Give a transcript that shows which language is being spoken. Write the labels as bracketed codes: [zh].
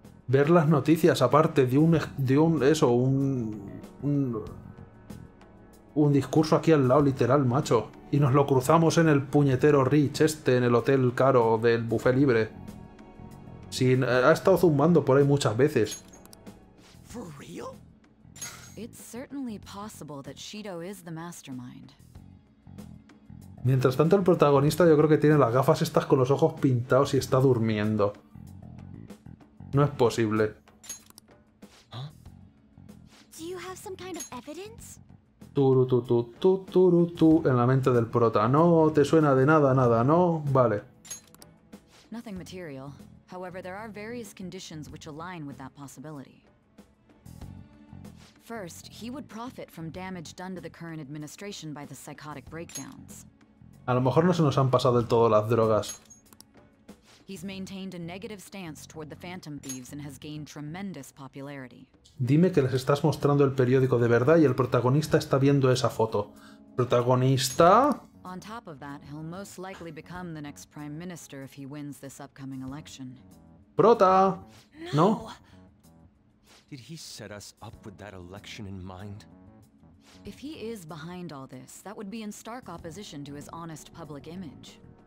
[es] Ver las noticias aparte de un discurso aquí al lado, literal, macho. Y nos lo cruzamos en el puñetero Rich este, en el hotel caro del buffet libre. Sí, ha estado zumbando por ahí muchas veces. [en] ¿For real? It's certainly possible that Shido is the mastermind. [es] Mientras tanto, el protagonista yo creo que tiene las gafas estas con los ojos pintados y está durmiendo. No es posible. [en] Do you have some kind of evidence? [es] Turu en la mente del prota. No te suena de nada, nada, ¿no? Vale. [en] Nothing material. However, there are various conditions which align with that possibility. First, he would profit from damage done to the current administration by the psychotic breakdowns. [es] A lo mejor no se nos han pasado del todo las drogas. [en] He's maintained a negative stance toward the Phantom Thieves and has gained tremendous popularity. [es] Dime que les estás mostrando el periódico de verdad y el protagonista está viendo esa foto. Protagonista. [en] On top of that, he'll most likely become the next prime minister if he wins this upcoming election. [es] Prota. No. [en] Did he set us up with that election in mind? If he is behind all this, that would be in stark opposition to his honest public image.